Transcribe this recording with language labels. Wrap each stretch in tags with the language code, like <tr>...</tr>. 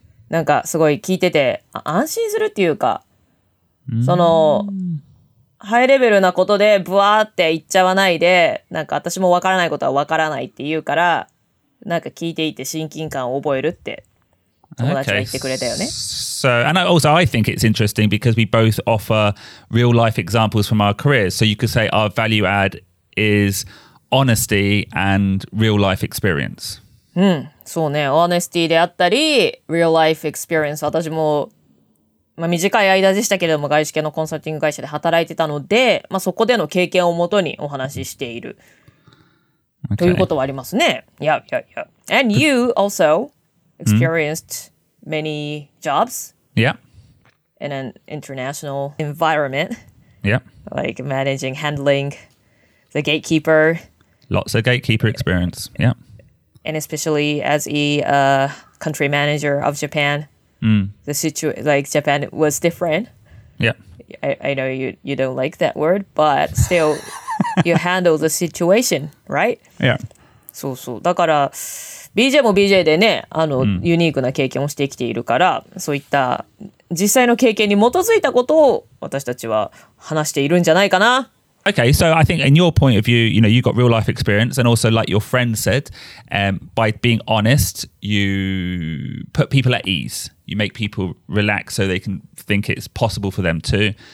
<ja>なんかすごい聞いてて安心するっていうか、そのハイレベルなことでブワーって言っちゃわないで、なんか私もわからないことはわからないって言うから、なんか聞いていて親近感を覚えるって友達が言ってくれたよね。</ja> <en>So, and also I think it's interesting because we both offer real life examples from our careers. So you could say our value add is honesty and real life experience.</en> <ja>うん、そうね。Honesty であったり、</ja> <en>real life experience。</en> <ja>私も、まあ、短い間でしたけれども、外資系のコンサルティング会社で働いてたので、まあ、そこでの経験をもとにお話ししている。</ja> <en>Okay.</en> <ja>ということはありますね。</ja> <en>Yeah, yeah, yeah. And you also experienced many jobs. Yeah. In an international environment. Yeah. Like managing, handling the gatekeeper. Lots of gatekeeper experience. Yeah. And especially as a country manager of Japan. The situation, like Japan was different. Yeah. I know you don't like that word, but still you handle the situation, right? Yeah.</en> <ja>そうそう。だから、BJ も BJ でね、あの、ユニークな経験をしてきているから、そういった実際の経験に基づいたことを私たちは話しているんじゃないかな。</ja> <en>Okay, so I think in your point of view, you know, you got real life experience, and also like your friend said, by being honest, you put people at ease. You make people relax so they can think it's possible for them too.</en>